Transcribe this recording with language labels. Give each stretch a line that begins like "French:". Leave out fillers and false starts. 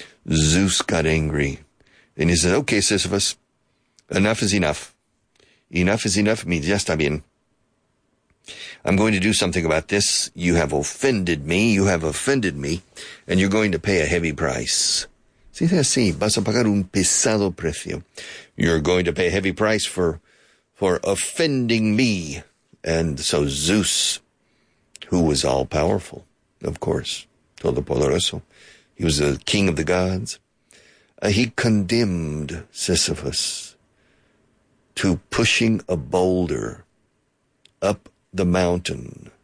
English: Zeus got angry. And he said, okay, Sisyphus, enough is enough. Enough is enough means,
Spanish: ya está bien.
English: I'm going to do something about this. You have offended me. You have offended me. And you're going to pay a heavy price.
Spanish: Si es así, vas a pagar un pesado precio.
English: You're going to pay a heavy price for offending me. And so Zeus, who was all-powerful, of course,
Spanish: todo poderoso,
English: he was the king of the gods, he condemned Sisyphus to pushing a boulder up the mountain.